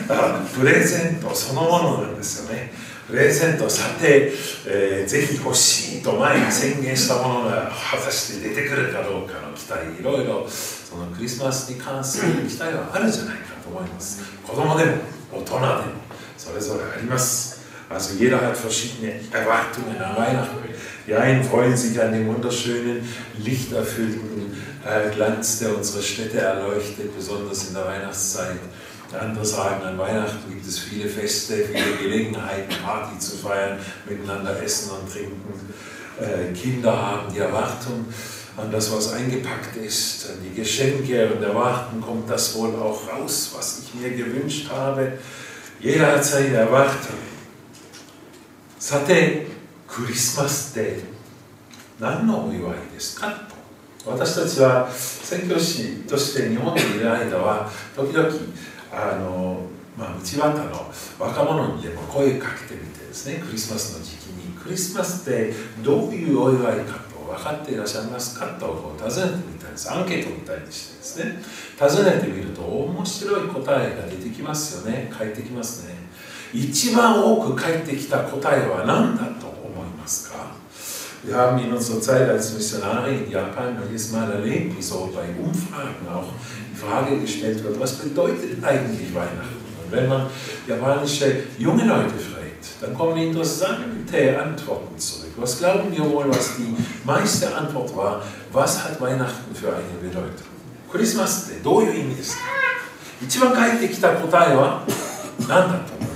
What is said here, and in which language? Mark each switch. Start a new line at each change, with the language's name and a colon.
Japanese: だからプレゼントそのものなんですよね。プレゼントさて、ぜひ欲しいと前に宣言したものが果たして出てくるかどうかの期待、いろいろそのクリスマスに関する期待はあるじゃないかと思います。子供でも大人でもそれぞれあります。
German: Also jeder hat verschiedene Erwartungen an Weihnachten. Die einen freuen sich an den wunderschönen, lichterfüllten Glanz, der unsere Städte erleuchtet, besonders in der Weihnachtszeit. Andere sagen, an Weihnachten gibt es viele Feste, viele Gelegenheiten, Party zu feiern, miteinander essen und trinken. Kinder haben die Erwartung an das, was eingepackt ist, an die Geschenke und erwarten, kommt das wohl auch raus, was ich mir gewünscht habe. Jeder hat seine Erwartung.
Japanese: さて、クリスマスって何のお祝いですかと。私たちは宣教師として日本にいる間は、時々内輪の若者にでも声をかけてみてですね、クリスマスの時期に、クリスマスってどういうお祝いかと分かっていらっしゃいますかと尋ねてみたんです。アンケートみたいにしてですね、尋ねてみると面白い答えが出てきますよね、返ってきますね。一番多く返ってきた答えは何だと思いますか。
German: Wir haben in unserer Zeit als Missionare in Japan jedes Mal erlebt, wie so bei Umfragen auch die Frage gestellt wird, was bedeutet eigentlich Weihnachten? Und wenn man japanische junge Leute fragt, dann kommen interessante Antworten zurück. Was glauben wir wohl, was die meiste Antwort war? Was hat Weihnachten für eine Bedeutung?
Japanese: クリスマスってどういう意味ですか。一番返ってきた答えは何だと。